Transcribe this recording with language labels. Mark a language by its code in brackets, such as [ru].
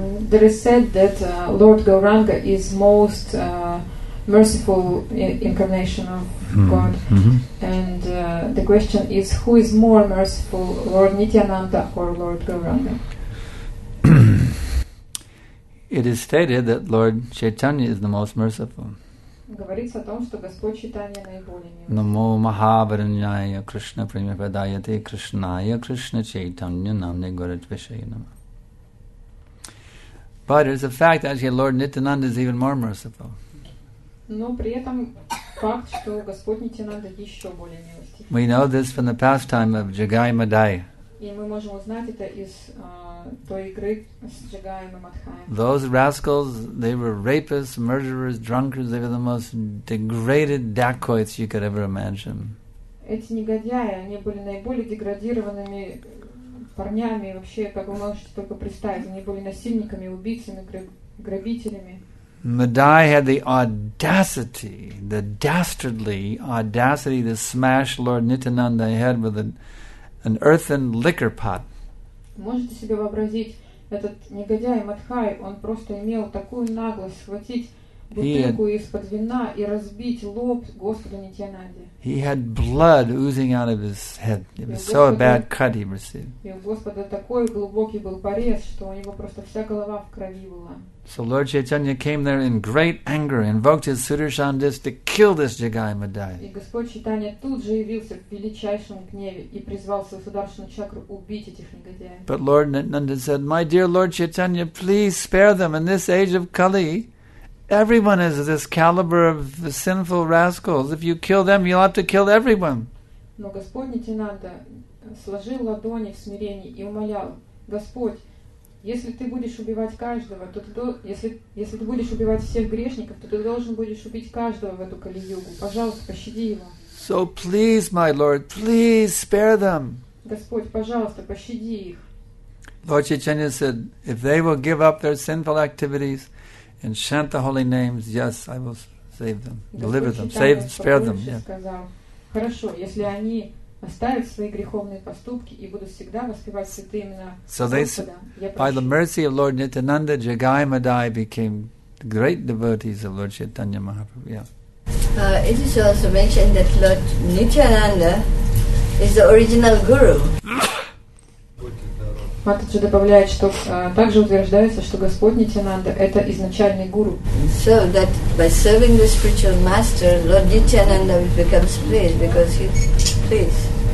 [en] There is said that Lord Gauranga is most merciful incarnation of God. Mm-hmm. And the question is, who is more merciful, Lord Nityananda or Lord Gauranga? It is stated that Lord Chaitanya is the most merciful. [ru] Говорится о том, что Господь Чайтанья наиболее милостив. [sa] Намо Махабраньяя Кришна премипадаяте Кришная Кришна Чайтанья намне горадвишайнама. [en] But it is a fact that actually Lord Nityananda is even more merciful. [ru] Но при этом факт, что Господь не тебе надо еще более милости. [en] We know this from the pastime of Jagai Madai. [ru] И мы можем узнать это из той игры с Джагаем и Мадхаем. [en] Those rascals, they were rapists, murderers, drunkards. They were the most degraded dacoits you could ever imagine. [ru] Эти негодяи, они были наиболее деградированными парнями вообще, как вы можете только представить. Они были насильниками, убийцами, грабителями. [en] Madai had the dastardly audacity to smash Lord Nityananda's head with an earthen liquor pot. [ru] Можете себе вообразить, этот негодяй Мадхай, он просто имел такую наглость схватить бутылку из-под вина и разбить лоб Господу Нитьянанде. [en] He had blood oozing out of his head. It was so a bad cut he received. [ru] И у Господа такой глубокий был порез, что у него просто вся голова в крови была. [en] So Lord Chaitanya came there in great anger, invoked his Sudarshan disc to kill this Jagai Madai. [ru] И Господь Чайтанья тут же явился в величайшем гневе и призвал свою Сударшану чакру убить этих негодяев. [en] But Lord Nityananda said, "My dear Lord Chaitanya, please spare them. In this age of Kali, everyone is this caliber of the sinful rascals. If you kill them, you'll have to kill everyone." [ru] Но Господь Нитьянанда сложил ладони в смирении и умолял: Господь, если ты будешь убивать каждого, то если ты будешь убивать всех грешников, то ты должен будешь убить каждого в эту кали-югу. Пожалуйста, пощади его. [en] So please, my Lord, please spare them. [ru] Господь, пожалуйста, пощади их. [en] Lord Chaitanya said, if they will give up their sinful activities and chant the holy names, yes, I will save them, deliver them, save, spare them. [ru] Сказал, хорошо, если они оставят свои греховные поступки и будут всегда воспевать святые имена Господа. [en] By the mercy of Lord Nityananda, Jagai Madai became great devotees of Lord Chaitanya Mahaprabhu. Yeah. It is also mentioned that Lord Nityananda is the original guru. [ru] Матаджи добавляет, что также утверждается, что Господь Нитьянанда – это изначальный гуру. [en] So that by serving the spiritual master, Lord Nityananda becomes pleased because he pleases.